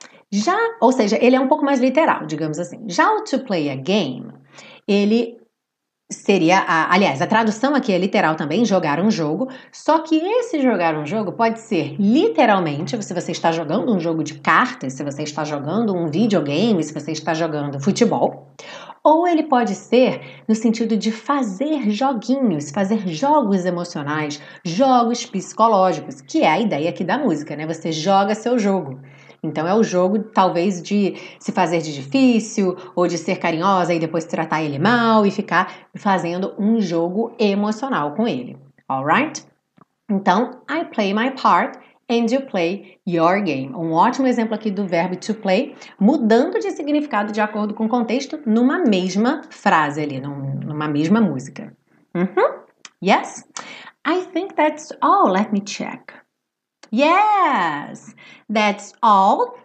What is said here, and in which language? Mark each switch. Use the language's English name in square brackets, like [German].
[Portuguese] Já, ou seja, ele é um pouco mais literal, digamos assim. Já o [English] to play a game, [Portuguese] ele seria, aliás, a tradução aqui é literal também, jogar um jogo, só que esse jogar um jogo pode ser literalmente, se você está jogando um jogo de cartas, se você está jogando um videogame, se você está jogando futebol, ou ele pode ser no sentido de fazer joguinhos, fazer jogos emocionais, jogos psicológicos, que é a ideia aqui da música, né? Você joga seu jogo. Então, é o jogo, talvez, de se fazer de difícil ou de ser carinhosa e depois tratar ele mal e ficar fazendo um jogo emocional com ele. Alright? Então, [English] I play my part and you play your game. [Portuguese] Um ótimo exemplo aqui do verbo to play, mudando de significado de acordo com o contexto numa mesma frase ali, numa mesma música. [English] Yes? I think that's all. Let me check. Yes, that's all.